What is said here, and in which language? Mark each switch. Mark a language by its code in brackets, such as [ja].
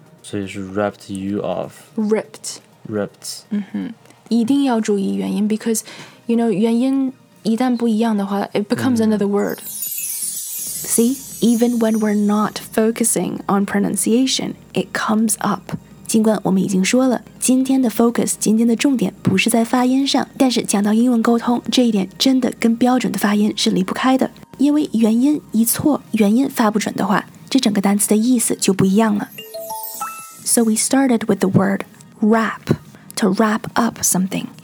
[zh] 所以是 [en] ripped you off. Ripped. Ripped. [zh] 一定要注意元音 [en] because, you know, [zh] 元音一旦不一样的话 [en] it becomes another word. See, even when we're not focusing on pronunciation, it comes up. [zh] 尽管我们已经说了今天的 focus 今天的重点不是在发音上，但是讲到英文沟通这一点真的跟标准的发音是离不开的，因为元音一错元音发不准的话，这整个单词的意思就不一样了。 [en] So we started with the word wrap, to wrap up something.